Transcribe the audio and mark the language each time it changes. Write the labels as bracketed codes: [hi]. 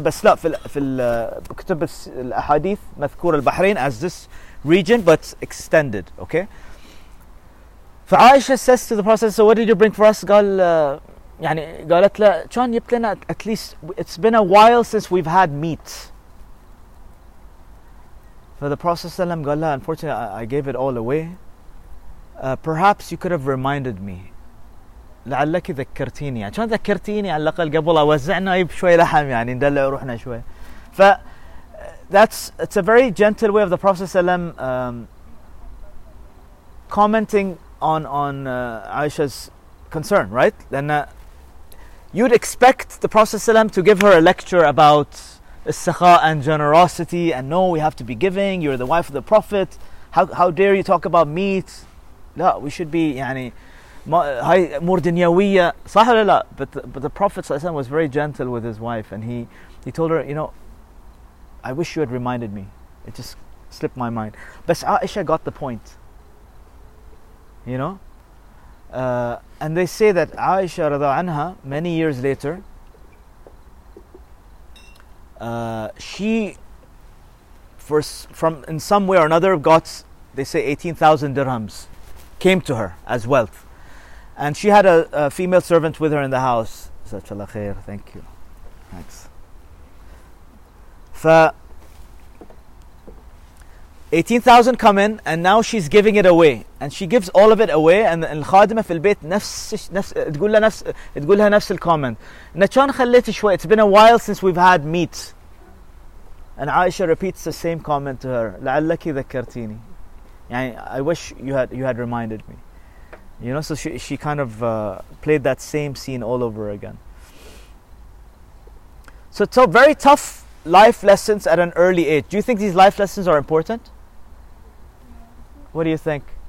[ar] بس لا في كتب الأحاديث مذكور البحرين [en] as this region but extended. Okay. فعائشة says to the Prophet, so what did you bring for us? [ar] قال يعني قالت له شلون جبت لنا, [en] at least it's been a while since we've had meat. For the Prophet ﷺ [ar] قال لها, [en] unfortunately I gave it all away. Perhaps you could have reminded me. [ar] لعلك ذكرتيني, يعني شلون ذكرتيني على الأقل قبل أوزعنا يب شوي لحم يعني ندلع روحنا شوي. [en] ف it's a very gentle way of the Prophet ﷺ commenting on Aisha's concern, right? Then you'd expect the Prophet ﷺ to give her a lecture about السخاء and generosity, and no, we have to be giving. You're the wife of the Prophet. How dare you talk about meat? [ar] لا, [en] we should be [ar] يعني هاي أمور دنيوية صح ولا لا. [en] But the Prophet ﷺ was very gentle with his wife, and he told her, you know, I wish you had reminded me. It just slipped my mind. بس عائشة got the point. You know. And they say that Aisha رضي الله عنها, many years later, she, in some way or another, got 18,000 dirhams, came to her as wealth. And she had a female servant with her in the house. Jazakallah khair, thank you. Thanks. So, 18,000 come in, and now she's giving it away. And she gives all of it away, and [ar] الخادمة في البيت تقول لها نفس الكومنت. نشان خليتي شوي, [en] it's been a while since we've had meat. And Aisha repeats the same comment to her. [ar] لعلك ذكرتيني. يعني [en] I wish you had reminded me. You know, so she kind of played that same scene all over again. So it's a very tough life lessons at an early age. Do you think these life lessons are important? What do you think?